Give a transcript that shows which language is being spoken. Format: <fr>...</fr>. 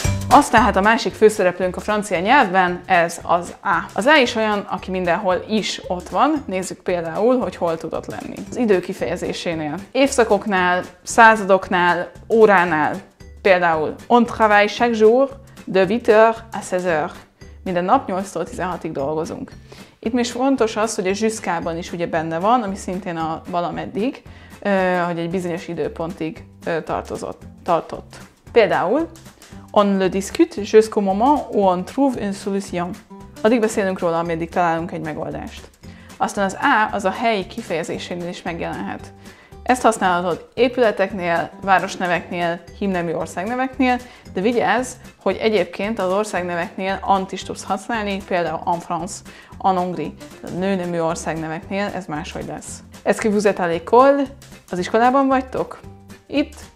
<hu>Aztán hát a másik főszereplőnk a francia nyelvben, ez az A. Az A is olyan, aki mindenhol is ott van. Nézzük például, hogy hol tudott lenni. Az idő kifejezésénél. Évszakoknál, századoknál, óránál. Például,</hu> <fr>on travaille chaque jour de 8h à 16h.</fr> <hu>Minden nap 8-tól 16-ig dolgozunk. Itt még fontos az, hogy a jusqu'ában is ugye benne van, ami szintén a valameddig, hogy egy bizonyos időpontig tartott. Például,</hu> <fr>on le discute jusqu'au moment où on trouve une solution.</fr> <hu>Addig beszélünk róla, ameddig találunk egy megoldást. Aztán az A az a helyi kifejezésénél is megjelenhet. Ezt használhatod épületeknél, városneveknél, himnemű országneveknél, de vigyázz, hogy egyébként az országneveknél ant is tudsz használni, például en France, en Hongrie, a nőnemű országneveknél ez máshogy lesz.</hu> <fr>Est-ce que vous êtes à l'école?</fr> <hu>Az iskolában vagytok? Itt</hu>